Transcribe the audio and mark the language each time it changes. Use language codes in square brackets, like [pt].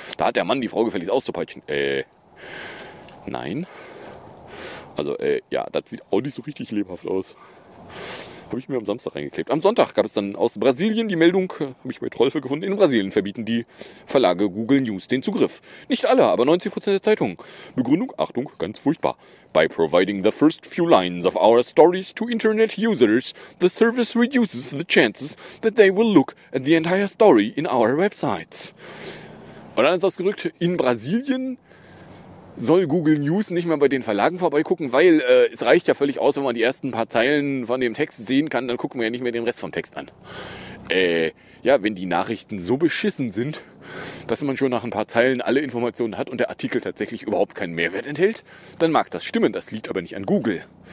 [de] Da hat der Mann die Frau gefälligst auszupeitschen. Nein. Also, ja, das sieht auch nicht so richtig lebhaft aus. Habe ich mir am Samstag reingeklebt. Am Sonntag gab es dann aus Brasilien die Meldung, habe ich bei Trollfe gefunden, in Brasilien verbieten die Verlage Google News den Zugriff. Nicht alle, aber 90% der Zeitungen. Begründung, Achtung, ganz furchtbar. [en] By providing the first few lines of our stories to internet users, the service reduces the chances that they will look at the entire story in our websites. [de] Und dann ist ausgerückt, in Brasilien soll Google News nicht mehr bei den Verlagen vorbeigucken, weil es reicht ja völlig aus, wenn man die ersten paar Zeilen von dem Text sehen kann, dann gucken wir ja nicht mehr den Rest vom Text an. Ja, wenn die Nachrichten so beschissen sind, dass man schon nach ein paar Zeilen alle Informationen hat und der Artikel tatsächlich überhaupt keinen Mehrwert enthält, dann mag das stimmen, das liegt aber nicht an Google.